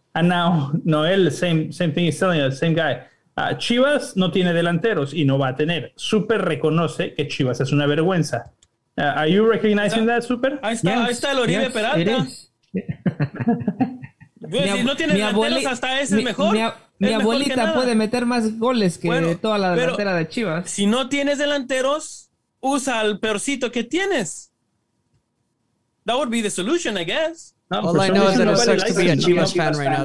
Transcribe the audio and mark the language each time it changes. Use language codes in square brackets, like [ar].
[en] And now Noel, same thing, he's telling us, same guy. [es] Chivas no tiene delanteros y no va a tener. Super reconoce que Chivas es una vergüenza. [en] Are you recognizing that, Super? [es] Ahí está el Oribe Peralta. [en] It is. [es] No tiene delanteros, hasta ese es mejor. Mi abuelita puede meter más goles que toda la delantera de Chivas. Si no tienes delanteros, usa al peorcito que tienes. [en] That would be the solution, I guess. All I know is that it sucks to be a Chivas fan right now.